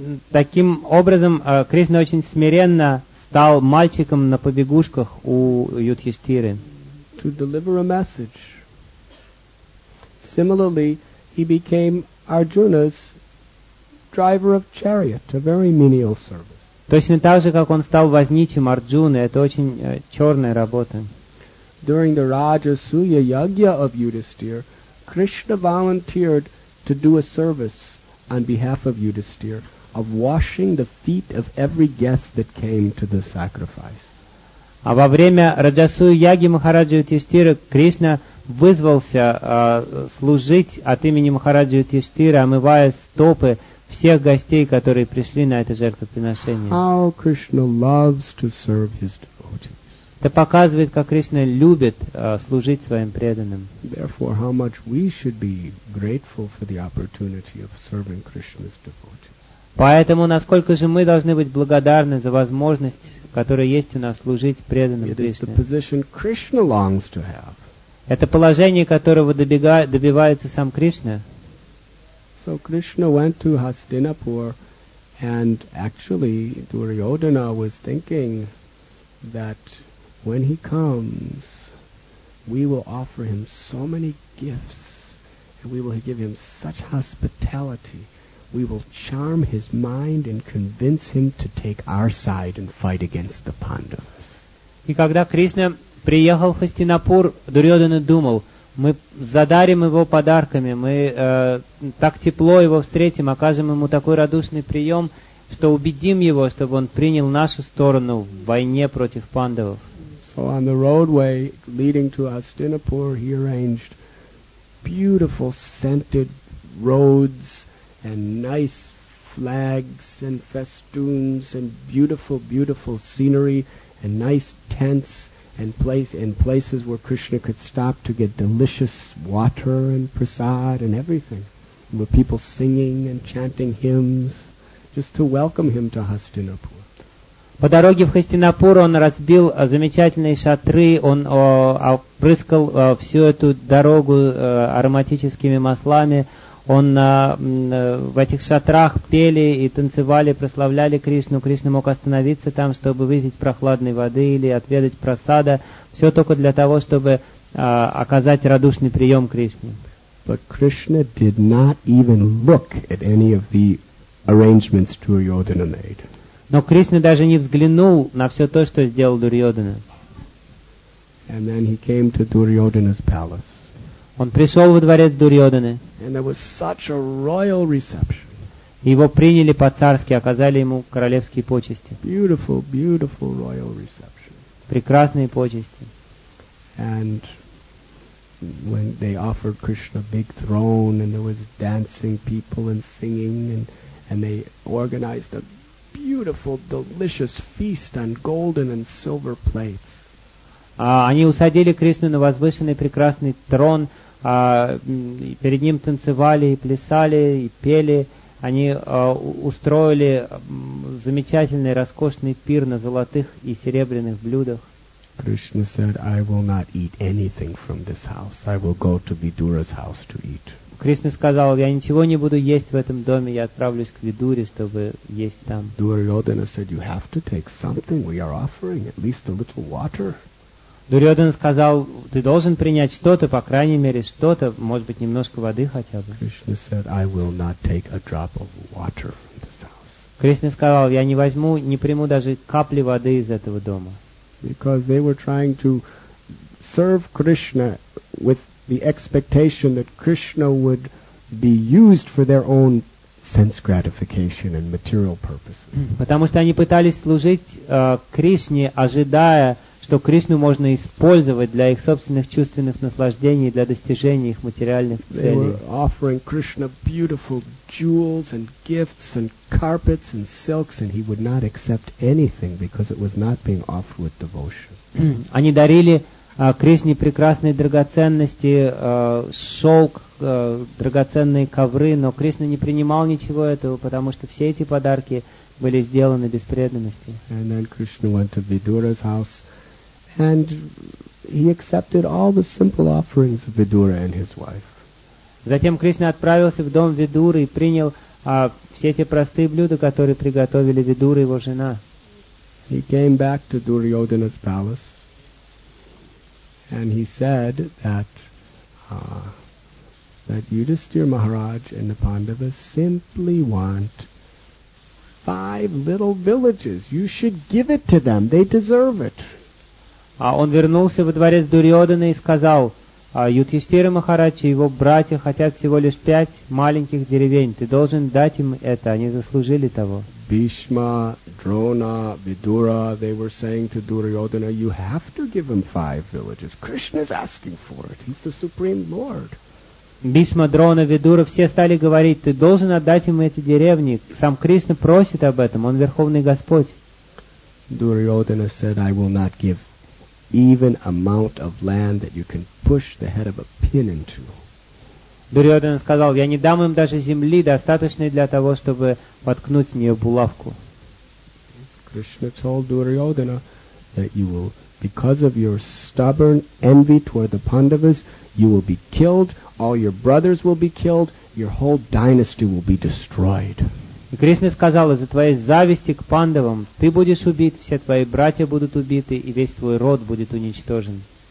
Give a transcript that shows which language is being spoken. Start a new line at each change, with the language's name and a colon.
Russian: Таким образом, Кришна очень смиренно стал мальчиком на побегушках у Юдхиштхиры.
English: To deliver a message. Similarly, he became Arjuna's driver of chariot, a very menial service.
Russian: Точно так же, как он стал возничим Арджуны, это очень черная работа.
English: During the Rajasuya Yagya of Yudhisthira, Krishna volunteered to do a service on behalf of Yudhisthira of washing the feet of every guest that came to the sacrifice.
Russian: А во время Раджасуя Яги Махараджа Юдхиштхиры Кришна вызвался служить от имени Махараджи Юдхиштхиры, омывая стопы всех гостей, которые пришли на это жертвоприношение.
English: How Krishna loves to serve his devotees.
Russian: Это показывает, как Кришна любит служить своим преданным.
English: Therefore, how much we should be grateful for the opportunity of serving Krishna's devotees.
Russian: Поэтому, насколько же мы должны быть благодарны за возможность, которая есть у нас, служить преданным Кришне.
English: It is the position Krishna longs to have.
Russian: Это положение, которого добивается сам Кришна.
English: So Krishna went to Hastinapur, and actually Duryodhana was thinking that when he comes, we will offer him so many gifts, and we will give him such hospitality, we will charm his mind and convince him to take our side and fight against the Pandavas.
Russian: И когда Кришна приехал в Хастинапур, Дурьодхана думал, мы задарим его подарками, мы так тепло его встретим, окажем ему такой радушный прием, что убедим его, чтобы он принял нашу сторону в войне против пандавов.
English: So on the roadway leading to Hastinapur, he arranged beautiful scented roads and nice flags and festoons and beautiful, beautiful scenery and nice tents. And places where Krishna could stop to get delicious water and prasad and everything, with people singing and chanting hymns, just to welcome him to Hastinapur.
Russian: По дороге в Хастинапур он разбил замечательные шатры, он опрыскал всю эту дорогу ароматическими маслами. Он в этих шатрах пели и танцевали, прославляли Кришну. Кришна мог остановиться там, чтобы выпить прохладной воды или отведать прасада. Все только для того, чтобы оказать радушный прием Кришне.
English: But Krishna did not even look at any of the arrangements Duryodhana made.
Russian: Но Кришна даже не взглянул на все то, что сделал Дурьодхана.
English: And then he came to Duryodhana's palace.
Russian: Он пришел во дворец Дурьодханы.
English: And there was such a royal reception.
Russian: Его приняли по-царски, оказали ему королевские почести.
English: Beautiful, beautiful royal reception.
Russian: Прекрасные почести.
English: And when they offered Krishna a big throne, and there was dancing people and singing, and they organized a beautiful, delicious feast on golden and silver plates.
Russian: Они усадили Кришну на возвышенный прекрасный трон, перед ним танцевали и плясали и пели. Они устроили замечательный, роскошный пир на золотых и серебряных блюдах.
English: Krishna said, I will not eat anything from this house. I will go to Vidura's house to eat.
Russian: Кришна сказал, я ничего не буду есть в этом доме, я отправлюсь к Видуре, чтобы есть там.
English: Duryodhana said, you have to take something. We are offering at least a little water.
Russian: Дурьодхана сказал, ты должен принять что-то, по крайней мере, что-то, может быть, немножко воды хотя бы.
English: Krishna said, I will not take a drop of water from this house.
Russian: Кришна сказал, я не возьму, не приму даже капли воды из этого дома.
English: Because they were trying to serve Krishna with the expectation that Krishna would be used for their own sense gratification and material purposes.
Russian: Потому что они пытались служить Кришне, ожидая, что Кришну можно использовать для их собственных чувственных наслаждений, для достижения их материальных целей.
English: They were offering Krishna beautiful jewels and gifts and carpets and silks, and he would not accept anything because it was not being offered with devotion.
Russian: Они дарили Кришне прекрасные драгоценности, шелк, драгоценные ковры, но Кришна не принимал ничего этого, потому что все эти подарки были сделаны без преданности.
English: And then Krishna went to Vidura's house, and he accepted all the simple offerings of Vidura and his wife.
Russian: Затем Кришна отправился в дом Видуры и принял все те простые блюда, которые приготовили Видура и его жена.
English: He came back to Duryodhana's palace, and he said that that Yudhisthira Maharaj and the Pandavas simply want 5 little villages. You should give it to them. They deserve it.
Russian: А он вернулся во дворец Дурьодхана и сказал, Юдхиштхира Махарадж и его братья хотят всего лишь 5 маленьких деревень. Ты должен дать им это, они заслужили того.
English: Бишма, Дрона, Видура, they were saying to Duryodhana, you have to give him 5 villages. Krishna is asking for it. He's the Supreme Lord.
Russian: Бишма, Дрона, Видура, все стали говорить, ты должен отдать им эти деревни. Сам Кришна просит об этом, он Верховный Господь.
English: Duryodhana said, I will not give even amount of land that you can push the head of a pin into.
Russian: Дурьодхана сказал, я не дам им даже земли, достаточной для того, чтобы воткнуть в нее булавку.
English: Krishna told Duryodhana that you will, because of your stubborn envy toward the Pandavas, you will be killed, all your brothers will be killed, your whole dynasty will be destroyed.
Russian: И Кришна сказал, из-за твоей зависти к пандавам, ты будешь убит, все твои братья будут убиты, и весь твой род будет уничтожен.